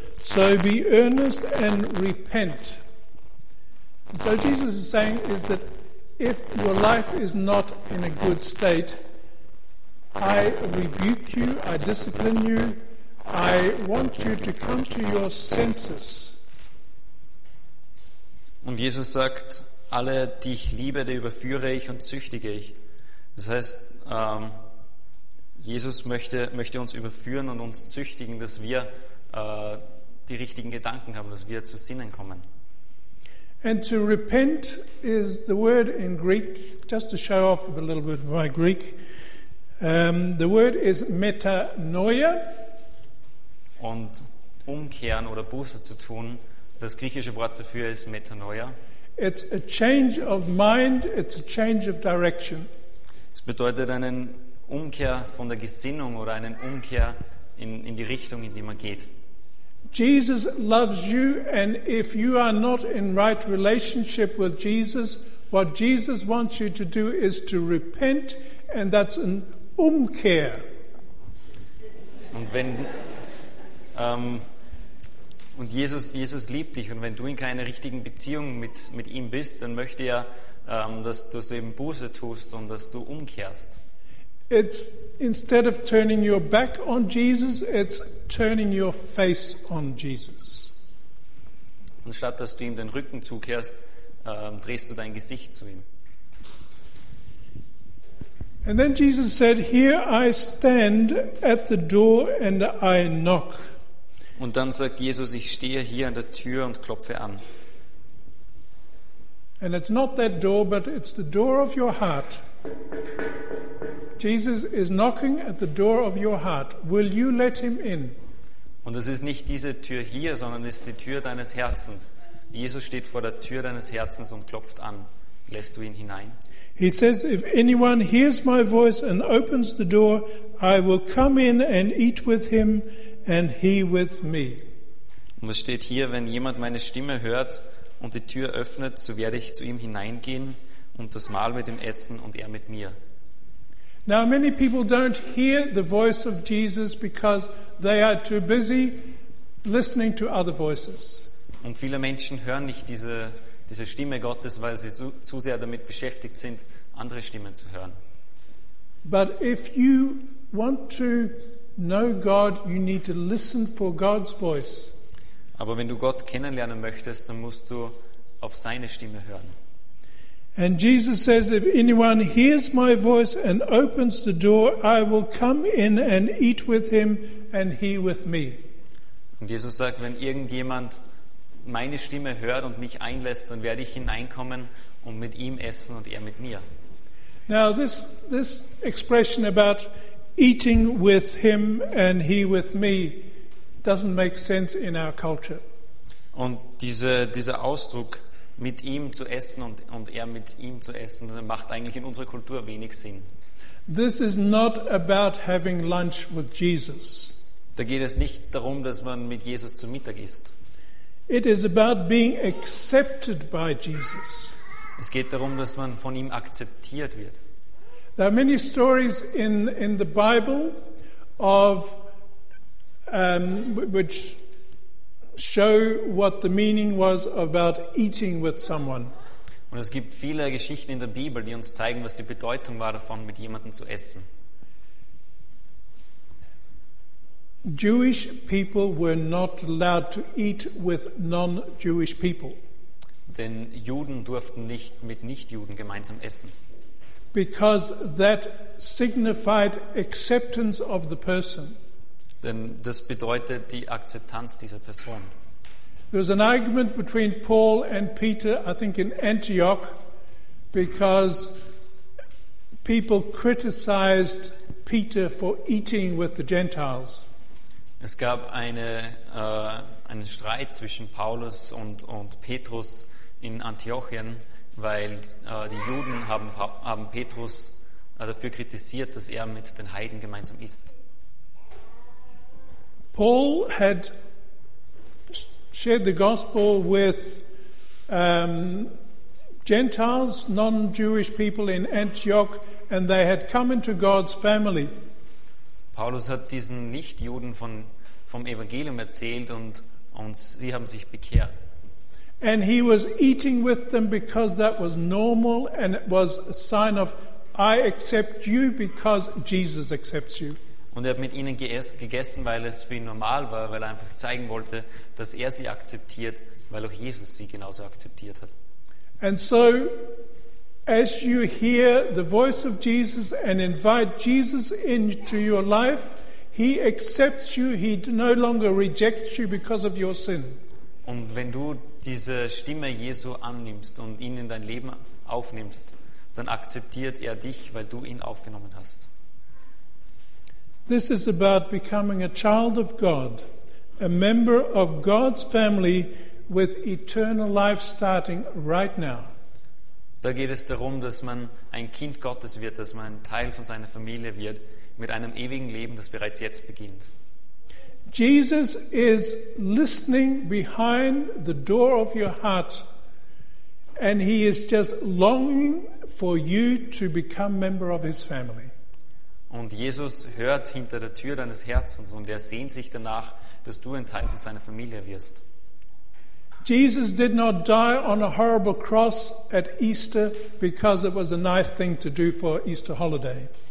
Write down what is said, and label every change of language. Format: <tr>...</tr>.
<en>So be earnest and repent. So Jesus is saying is that if your life is not in a good state, I rebuke you, I discipline you, I want you to come to your senses.</en> <de>Und Jesus sagt, alle, die ich liebe, die überführe ich und züchtige ich. Das heißt, Jesus möchte uns überführen und uns züchtigen, dass wir die richtigen Gedanken haben, dass wir zu Sinnen kommen.</de> <en>And to repent is the word in Greek, just to show off a little bit of my Greek, the word is metanoia.</en> <de>Und umkehren oder Buße zu tun, das griechische Wort dafür ist metanoia.</de> <en>It's a change of mind, it's a change of direction.</en> <de>Es bedeutet einen Umkehr von der Gesinnung oder einen Umkehr in die Richtung, in die man geht.</de> <en>Jesus loves you, and if you are not in right relationship with Jesus, what Jesus wants you to do is to repent, and that's an Umkehr.</en> <de>Und wenn und Jesus liebt dich, und wenn du in keiner richtigen Beziehung mit ihm bist, dann möchte er, dass du eben Buße tust und dass du umkehrst.</de> <en>It's instead of turning your back on Jesus, it's turning your face on Jesus.</en> <de>Und statt dass du ihm den Rücken zukehrst, drehst du dein Gesicht zu ihm.</de> <en>And then Jesus said, "Here I stand at the door and I knock."</en> <de>Und dann sagt Jesus, ich stehe hier an der Tür und klopfe an.</de> <en>And it's not that door, but it's the door of your heart. Jesus is knocking at the door of your heart. Will you let him in?</en> <de>Und es ist nicht diese Tür hier, sondern es ist die Tür deines Herzens. Jesus steht vor der Tür deines Herzens und klopft an. Lässt du ihn hinein?</de> <en>He says, if anyone hears my voice and opens the door, I will come in and eat with him and he with me.</en> <de>Und es steht hier, wenn jemand meine Stimme hört und die Tür öffnet, so werde ich zu ihm hineingehen und das Mahl mit ihm essen und er mit mir.</de> <en>Now many people don't hear the voice of Jesus because they are too busy listening to other voices.</en> <de>Und viele Menschen hören nicht diese Stimme Gottes, weil sie zu sehr damit beschäftigt sind, andere Stimmen zu hören.</de> <en>But if you want to know God, you need to listen for God's voice.</en> <de>Aber wenn du Gott kennenlernen möchtest, dann musst du auf seine Stimme hören.</de> <en>And Jesus says, if anyone hears my voice and opens the door, I will come in and eat with him and he with me.</en> <de>Und Jesus sagt, wenn irgendjemand meine Stimme hört und mich einlässt, dann werde ich hineinkommen und mit ihm essen und er mit mir.</de> <en>Now this expression about eating with him and he with me doesn't make sense in our culture.</en> <de>Und dieser Ausdruck mit ihm zu essen und er mit ihm zu essen, das macht eigentlich in unserer Kultur wenig Sinn.</de> <en>This is not about having lunch with Jesus.</en> <de>Da geht es nicht darum, dass man mit Jesus zu Mittag isst.</de> <en>It is about being accepted by Jesus.</en> <de>Es geht darum, dass man von ihm akzeptiert wird.</de> <en>There are many stories in the Bible of which show what the meaning was about eating with someone.</en> <de>Und es gibt viele Geschichten in der Bibel, die uns zeigen, was die Bedeutung war davon, mit jemandem zu essen.</de> <en>Jewish people were not allowed to eat with non-Jewish people.</en> <de>Denn Juden durften nicht mit Nichtjuden gemeinsam essen.</de> <en>Because that signified acceptance of the person.</en> <de>Denn das bedeutet die Akzeptanz dieser Person.</de> <en>There was an argument between Paul and Peter, I think in Antioch, because people criticized Peter for eating with the Gentiles.</en> <de>Es gab einen Streit zwischen Paulus und Petrus in Antiochien, weil die Juden haben Petrus dafür kritisiert, dass er mit den Heiden gemeinsam isst.</de> <en>Paul had shared the gospel with Gentiles, non-Jewish people in Antioch, and they had come into God's family.</en> <de>Paulus hat diesen Nichtjuden vom Evangelium erzählt und sie haben sich bekehrt.</de> <en>And he was eating with them because that was normal and it was a sign of I accept you because Jesus accepts you.</en> <de>Und er hat mit ihnen gegessen, weil es für ihn normal war, weil er einfach zeigen wollte, dass er sie akzeptiert, weil auch Jesus sie genauso akzeptiert hat.</de> <en>And so as you hear the voice of Jesus and invite Jesus into your life, he accepts you, he no longer rejects you because of your sin.</en> <de>Und wenn du diese Stimme Jesu annimmst und ihn in dein Leben aufnimmst, dann akzeptiert er dich, weil du ihn aufgenommen hast.</de> <en>This is about becoming a child of God, a member of God's family with eternal life starting right now.</en> <de>Da geht es darum, dass man ein Kind Gottes wird, dass man ein Teil von seiner Familie wird, mit einem ewigen Leben, das bereits jetzt beginnt.</de> <en>Jesus is listening behind the door of your heart and he is just longing for you to become member of his family.</en> <de>Und Jesus hört hinter der Tür deines Herzens und er sehnt sich danach, dass du ein Teil von seiner Familie wirst.</de> <en>Jesus did not die on a horrible cross at Easter because it was a nice thing to do for Easter holiday.</en>